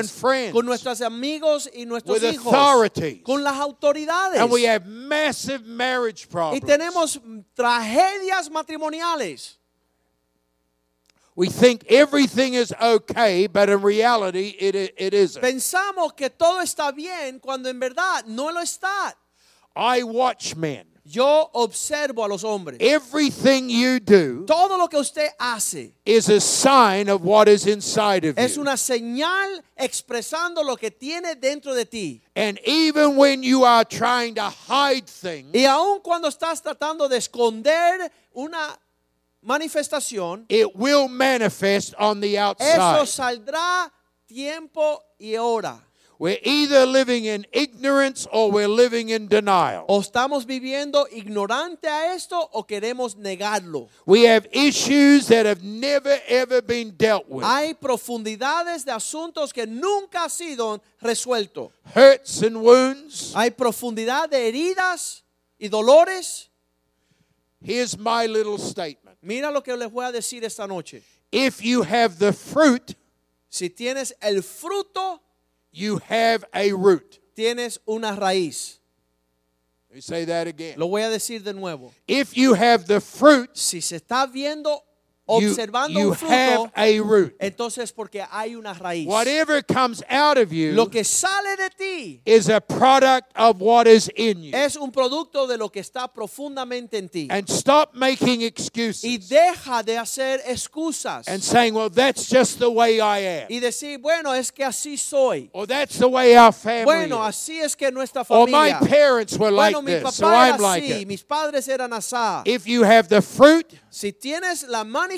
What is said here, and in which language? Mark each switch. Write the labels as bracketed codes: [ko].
[en] and friends. [es] Con nuestros amigos y nuestros [en] with [es] hijos, [en] authorities. [es] Con las autoridades. [en] And we have massive marriage problems. [es] Y tenemos tragedias matrimoniales. [en] We think everything is okay, but in reality it isn't. [es] Pensamos que todo está bien cuando en verdad no lo está. [en] I watch men. [es] Yo observo a los hombres. [en] Everything you do, [es] todo lo que usted hace, [en] is a sign of what is inside of you. [es] Es una señal expresando lo que tiene dentro de ti. [en] And even when you are trying to hide things, [es] y aun cuando estás tratando de esconder una manifestación, [en] it will manifest on the outside. [es] Eso saldrá tiempo y hora. [en] We're either living in ignorance or we're living in denial. [es] O estamos viviendo ignorante a esto o queremos negarlo. [en] We have issues that have never ever been dealt with. [es] Hay profundidades de asuntos que nunca han sido resueltos. [en] Hurts and wounds. [es] Hay profundidad de heridas y dolores. [en] Here's my little statement. [es] Mira lo que les voy a decir esta noche. [en] If you have the fruit, [es] si tienes el fruto, [en] you have a root. [es] Tienes una raíz. [en] Let me say that again. [es] Lo voy a decir de nuevo. [en] If you have the fruit, [es] si se está viendo, observando [en] you [es] un fruto, [en] have a root. [es] Entonces porque hay una raíz. [en] Whatever comes out of you, [es] lo que sale de ti, [en] is a product of what is in you. [es] Es un producto de lo que está profundamente en ti. [en] And stop making excuses. [es] Y deja de hacer excusas. [en] And saying, well, that's just the way I am. [es] Y decir, bueno, es que así soy. [en] Or that's the way our family. [es] Bueno, [en] is. [es] Así es que nuestra familia. [en] Or my parents were like [es] bueno, [en] this, [es] mi papá [en] so [es] era [en] I'm like it. [es] Mis padres eran así. [en] If you have the fruit, [es] si tienes la manifestación,